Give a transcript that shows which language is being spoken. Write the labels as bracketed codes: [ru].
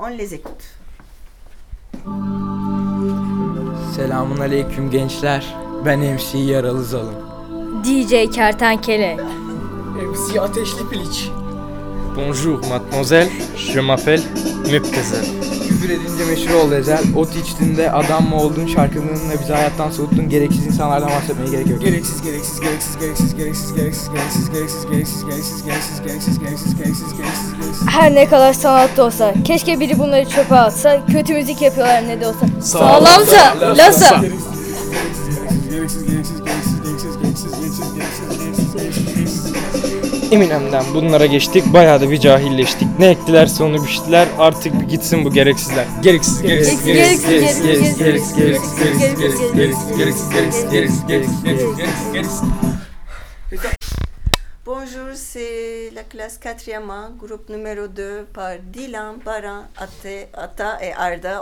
[fr] On les écoute. [tr] Selamun aleyküm gençler. Ben MC Yaralı Zalim. DJ Kertenkele. MC Ateşli Piliç. [fr] Bonjour mademoiselle, je m'appelle Müptezel. [tr] Küfür edince meşhur oldu Ezel. Ot içtin de adam mı oldun, şarkılığınla bizi hayattan soğuttun. Gereksiz insanlardan bahsetmeye gerek yok. Gereksiz, gereksiz, gereksiz, gereksiz, gereksiz, gereksiz, gereksiz, gereksiz, gereksiz, gereksiz, gereksiz, gereksiz, gereksiz, gereksiz, gereksiz, gereksiz. Her ne kadar sanat da olsa, keşke biri bunları çöpe atsa, kötü müzik yapıyorlar ne de olsa. Sağlamsa, lasa. Eminem'den bunlara geçtik, bayağı da bir cahilleştik. Ne ektilerse onu biçtiler, artık bir gitsin bu gereksizler. Gereksiz, gereksiz, gereksiz, gereksiz, gereksiz, gereksiz, gereksiz, gereksiz, gereksiz, gereksiz, gereksiz, gereksiz, gereksiz, gereksiz. [fr] Bonjour, c'est la classe 4e, groupe numéro 2, par Dylan, Baran, Ate, Ata et Arda.